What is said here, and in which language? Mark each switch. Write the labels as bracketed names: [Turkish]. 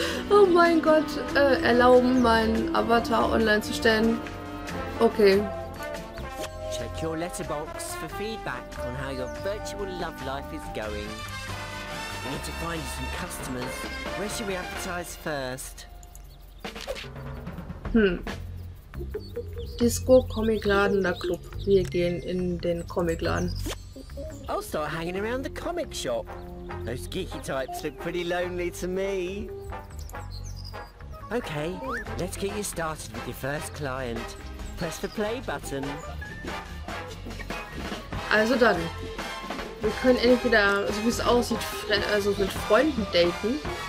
[German] Oh mein Gott, erlauben, meinen Avatar online zu stellen. [English] Okay. Check your letterbox for feedback on how your virtual love life is going. We need to find you some customers. Where should we advertise first? [German] Disco Comicladen der Club. Wir gehen in den Comicladen. [English] I'll start hanging around the comic shop. Those geeky types look pretty lonely to me. Okay, let's get you started with your first client. Press the play button. [German] Also dann. Wir können entweder, so wie es aussieht, also mit Freunden daten.